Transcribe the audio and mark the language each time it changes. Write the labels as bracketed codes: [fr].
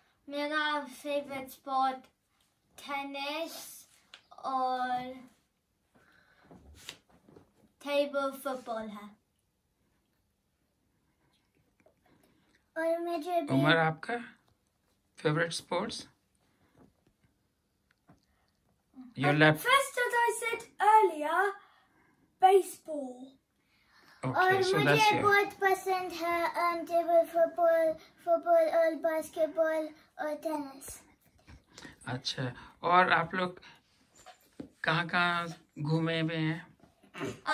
[hi] मेरा favourite sport tennis और table football है। उमर आपका favourite sports? [en] Your left. First that I said earlier, baseball. Okay, so that's it. [hi] और मुझे बहुत पसंद है टेबल फुटबॉल और बास्केटबॉल और टेनिस। अच्छा, और आप लोग कहाँ घूमे हुए हैं?